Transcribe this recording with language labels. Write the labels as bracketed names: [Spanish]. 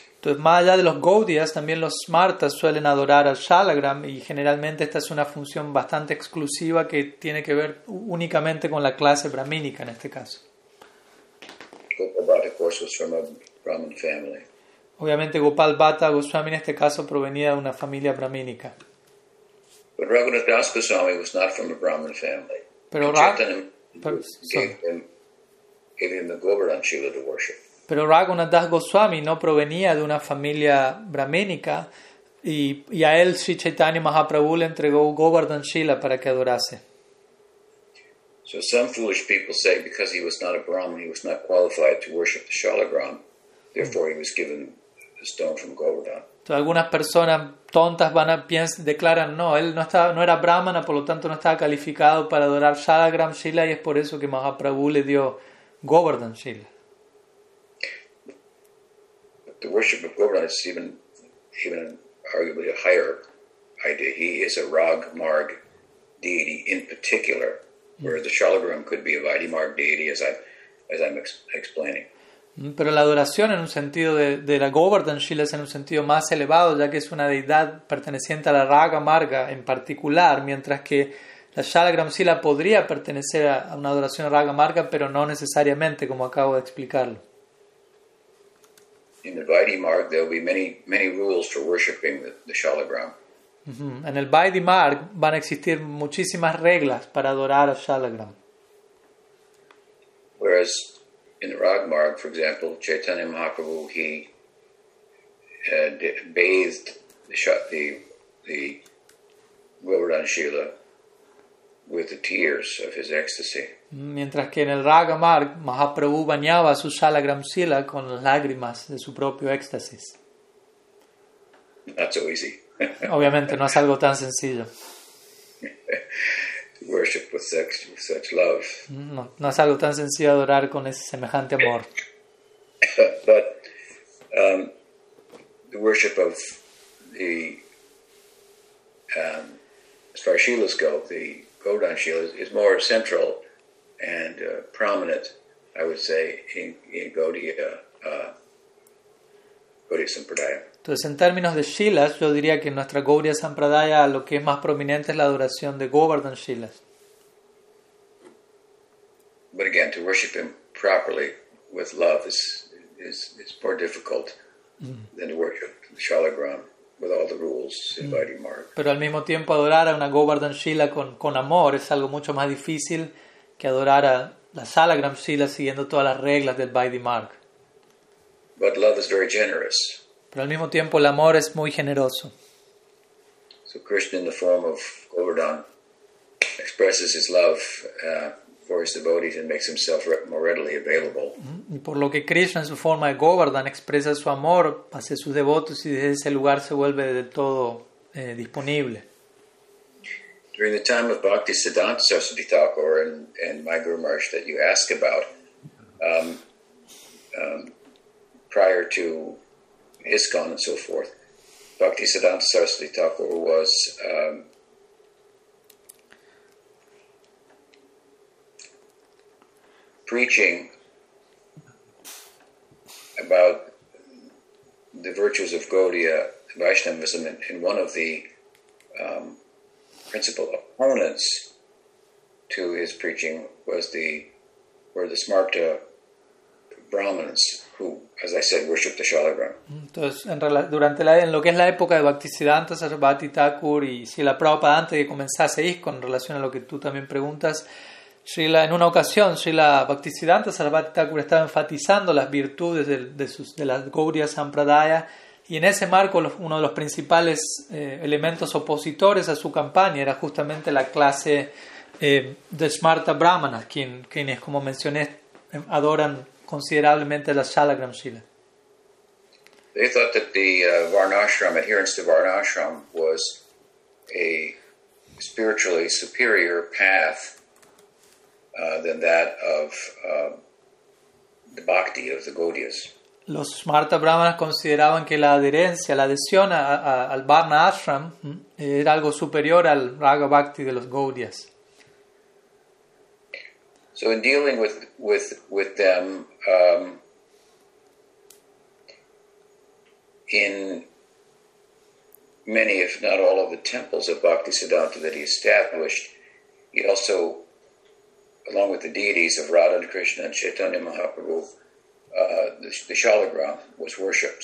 [Spanish] Entonces, más allá de los Gaudiyas, también los smartas suelen adorar al Shalagram, y generalmente esta es una función bastante exclusiva que tiene que ver únicamente con la clase brahmínica en este caso. [English] Was from a Brahmin family. [Spanish] Obviamente Gopal Bhatta Goswami en este caso provenía de una familia brahmínica. [English] But Raghunath Das Goswami was not from a Brahmin family. [Spanish] Pero [English] gave him the Govardhan Shila to worship. [Spanish] Pero Raghunath Das Goswami no provenía de una familia brahmínica y a él Sri Chaitanya Mahaprabhu le entregó Govardhan Shila para que adorase. [English] So some foolish people say because he was not a Brahmin, he was not qualified to worship the Shalagram, therefore he was given the stone from Govardhan. [Spanish] Entonces algunas personas tontas declaran, no, él no era Brahmana, por lo tanto no estaba calificado para adorar Shalagram Shila, y es por eso que Mahaprabhu le dio Govardhan Shila. [English] The worship of Govardhan is even arguably a higher idea. He is a Rag Marg deity in particular, where the Shalagram could be a Vaidimarg deity, as I'm explaining. [Spanish] Pero la adoración en un sentido de la Govardhan Shila es en un sentido más elevado, ya que es una deidad perteneciente a la Raga Marga en particular, mientras que la Shalagram Shila podría pertenecer a una adoración a Raga Marga, pero no necesariamente, como acabo de explicarlo. [English] In the Vaidimarg, there will be many, many rules for worshipping the Shalagram. [Spanish] En el Vaidimarg van a existir muchísimas reglas para adorar a Shalagram. [English] Whereas in the Ragmarg, for example, Chaitanya Mahaprabhu, he bathed the Govardhan Shila with the tears of his ecstasy. [Spanish] Mientras que en el Ragmarg, Mahaprabhu bañaba su Shalagram Shila con lágrimas de su propio éxtasis. [English] Not so easy. [Spanish] Obviamente no es algo tan sencillo. [English] Worship with sex, with such love. [Spanish] No es algo tan sencillo adorar con ese semejante amor. [English] But the worship of the as far as Shilas go, the Govardhan Shila is more central and prominent, I would say, in Gaudiya Sampradaya. [Spanish] Entonces, en términos de Shilas, yo diría que en nuestra Gaudiya Sampradaya lo que es más prominente es la adoración de Govardhan Shilas. [English] But again, to worship him properly with love is more difficult than to worship the Shalagram with all the rules in Vaidimarg. [Spanish] Pero al mismo tiempo, adorar a una Govardhan Shila con amor es algo mucho más difícil que adorar a la Shalagram Shila siguiendo todas las reglas del Vaidimarg. [English] But love is very generous. [Spanish] Pero al mismo tiempo el amor es muy generoso. [English] So Krishna in the form of Govardhan expresses his love for his devotees and makes himself more readily available. [Spanish] Y por lo que Krishna en su forma de Govardhan expresa su amor hacia sus devotos y desde ese lugar se vuelve del todo disponible. [English] during the time of Bhaktisiddhanta Saraswati Thakur and my Guru Maharaj that you ask about, prior to ISKCON and so forth, Bhaktisiddhanta Saraswati Thakur was preaching about the virtues of Gaudiya Vaishnavism in one of the principal opponents to his preaching was were the Smarta Brahmins who, as I said, worshipped the Shalagram. [Spanish] Entonces, en lo que es la época de Bhaktisiddhanta Saraswati Thakur y Srila Prabhupada antes de comenzase ISKCON, en relación a lo que tú también preguntas, Srila, en una ocasión, Srila Bhaktisiddhanta Saraswati Thakur estaba enfatizando las virtudes de las Gaudiya Sampradaya. Y en ese marco, uno de los principales elementos opositores a su campaña era justamente la clase de Smarta Brahmanas, quienes, como mencioné, adoran considerablemente la Shalagram Srila. [English] They thought that the Varnashram, adherence to Varnashram, was a spiritually superior path than that of the bhakti of the Gaudiyas. [Spanish] Los Smarta Brahmanas consideraban que la adherencia, la adhesión al Varna Ashram era algo superior al Raga Bhakti de los Gaudiyas. [English] So in dealing with them, in many, if not all, of the temples of Bhaktisiddhanta that he established, he also, along with the deities of Radha and Krishna and Chaitanya Mahaprabhu, the Shalagram was worshipped.